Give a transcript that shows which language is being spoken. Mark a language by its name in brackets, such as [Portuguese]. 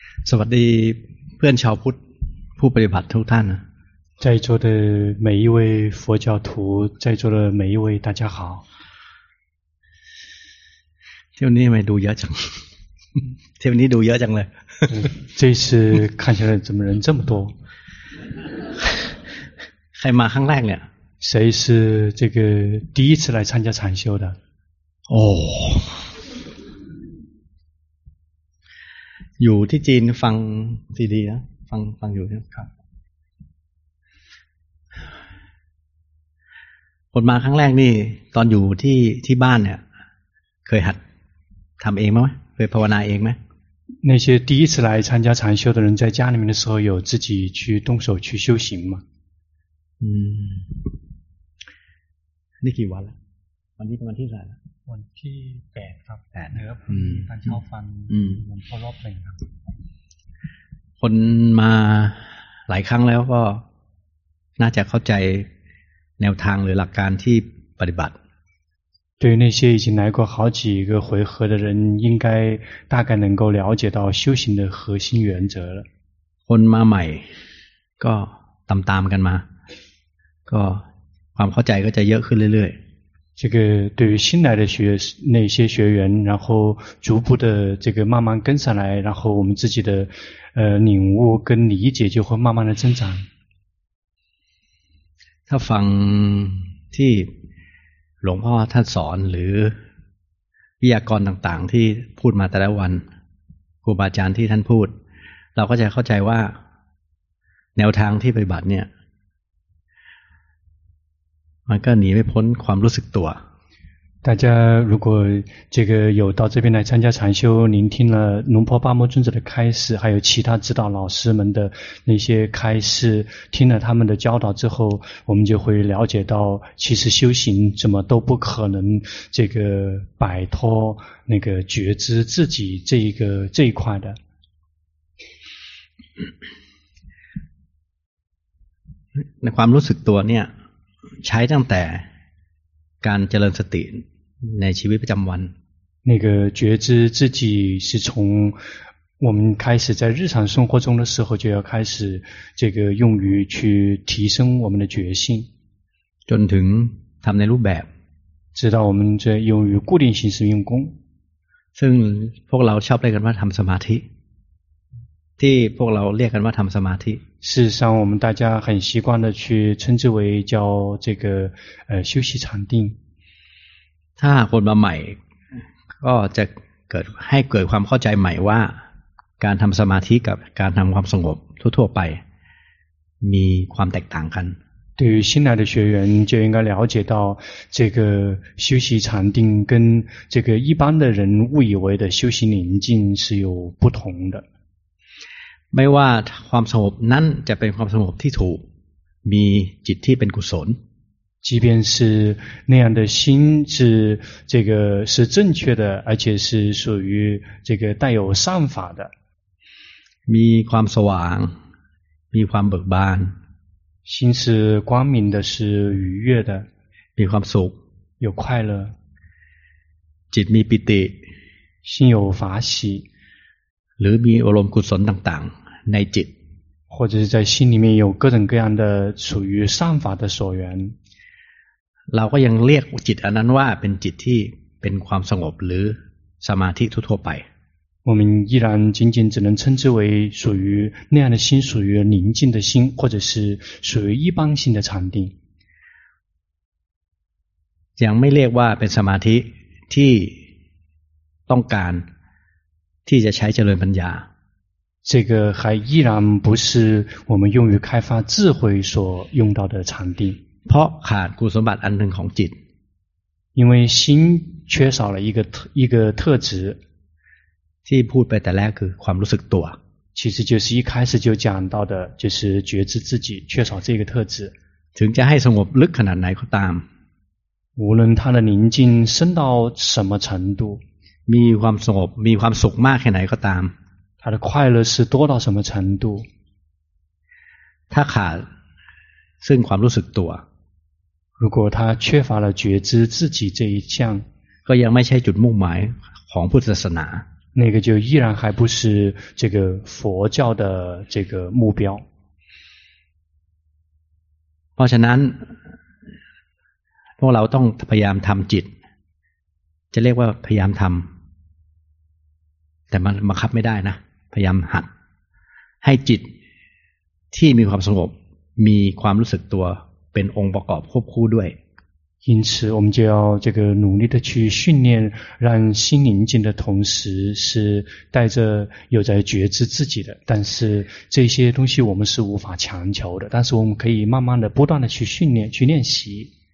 [Thai] สวัสดีเพื่อนชาวพุทธผู้ปฏิบัติทุกท่านนะ [Chinese] 在座的每一位佛教徒在座的每一位大家好 [Thai] เที่ยวนี้ไม่ดูเยอะจังเที่ยวนี้ดูเยอะจังเลย [Chinese] 这次看起来怎么人这么多 [Thai] ใครมาครั้งแรกเนี่ย [Chinese] 谁是这个第一次来参加禅修的 [Thai] โอ้อยู่ที่จีนฟังซีดีนะฟังอยู่นะ ครับ ผมมาครั้งแรกนี่ตอนอยู่ที่บ้านเนี่ยเคยหัดทำเองไหมเคยภาวนาเองไหม [Chinese] 那些第一次来参加禅修的人在家里面的时候有自己去动手去修行吗 [Thai] นี่กี่วันแล้ววันนี้เป็นวันที่เท่าไหร่ วันที่8ครับ 8 เนื้อผมท่านชอบฟังหลวงพ่อรอบหนึ่งครับ คนมาหลายครั้งแล้วก็น่าจะเข้าใจแนวทางหรือหลักการที่ปฏิบัติ [Chinese] 对那些已经来过好几个回合的人应该大概能够了解到修行的核心原则了 [Thai] คนมาใหม่ก็ตามกันมาก็ความเข้าใจก็จะเยอะขึ้นเรื่อยๆ [Chinese] 这个对于新来的学那些学员，然后逐步的这个慢慢跟上来，然后我们自己的领悟跟理解就会慢慢的增长。 [Thai] 他放ที่หลวงพ่อท่านสอนหรือวิทยากรต่างๆที่พูดมาแต่ละวันครูบาอาจารย์ที่ท่านพูดเราก็จะเข้าใจว่าแนวทางที่ปฏิบัติเนี่ยมันก็หนีไม่พ้นความรู้สึกตัว [Chinese] 大家如果这个有到这边来参加禅修聆听了龙婆巴摩尊者的开示还有其他指导老师们的那些开示听了他们的教导之后我们就会了解到其实修行怎么都不可能这个摆脱那个觉知自己这一块的 [Thai] 那ความรู้สึกตัวเนี่ยใช้ตั้งแต่การเจริญสติในชีวิตประจำวัน [Chinese] 那个觉知自己是从我们开始在日常生活中的时候就要开始这个用于去提升我们的觉性 [Thai] จนถึงทำในรูปแบบ [Chinese] 直到我们在用于固定形式用功 [Thai] ซึ่งพวกเราชอบเรียกกันว่าทำสมาธิที่พวกเราเรียกกันว่าทำสมาธิ [Chinese] 事实上我们大家很习惯的去称之为叫这个休息禅定 [Thai] ถ้าคนมาใหม่ก็จะเกิดให้เกิดความเข้าใจใหม่ว่าการทำสมาธิกับการทำความสงบทั่วๆไปมีความแตกต่างกัน [Chinese] 对于新来的学员就应该了解到这个休息禅定跟这个一般的人误以为的休息宁静是有不同的 [Thai] ไม่ว่าความสงบนั้นจะเป็นความสงบที่ถูกมีจิตที่เป็นกุศล [Chinese] 即便是那样的心是这个是正确的而且是属于这个带有善法的 [Thai] มีความสว่างมีความเบิกบาน [Chinese] 心是光明的是愉悦的 [Thai] มีความสุข [Chinese] 有快乐 [Thai] จิตมีปิติ [Chinese] 心有法喜 [Thai] หรือมีอารมณ์กุศลต่างๆในจิต [Chinese] 或者是在心里面有各种各样的属于善法的所缘 [Thai] เราก็ยังเรียกจิตอันนั้นว่าเป็นจิตที่เป็นความสงบหรือสมาธิทั่วไป [Chinese] 我们依然仅仅只能称之为属于那样的心属于宁静的心或者是属于一般性的禅定 [Thai] ยังไม่เรียกว่าเป็นสมาธิที่ต้องการที่จะใช้เจริญปัญญา [Chinese] 这个还依然不是我们用于开发智慧所用到的禅定 [Thai] เพราะขาดคุณสมบัติอันหนึ่งของจิต [Chinese] 因为心缺少了一个特质 [Thai] ที่พูดไปแต่แรกคือความรู้สึกตัว [Chinese] 其实就是一开始就讲到的就是觉知自己缺少这个特质 [Thai] ถึงจะให้สงบลึกขนาดไหนก็ตาม [Chinese] 无论它的宁静深到什么程度 [Thai] มีความสงบมีความสุขมากแค่ไหนก็ตาม [Chinese] 他的快乐是多到什么程度 [Thai] ถ้าขาดซึ่งความรู้สึกตัว [Chinese] 如果他缺乏了觉知自己这一项 [Thai] ก็ยังไม่ใช่จุดมุ่งหมายของพุทธศาสนา [Chinese] 那个就依然还不是这个佛教的这个目标。 [Thai] เพราะฉะนั้นพวกเราต้องพยายามทำจิตจะเรียกว่าพยายามทำแต่มันบังคับไม่ได้นะพยายามหัดให้จิตที่มีความสงบมีความรู้สึกตัวเป็นองค์ประกอบควบคู่ด้วย [Chinese] 因此我们就要这个努力的去训练让心宁静的同时是带着有在觉知自己的但是这些东西我们是无法强求的但是我们可以慢慢的不断的去训练去练习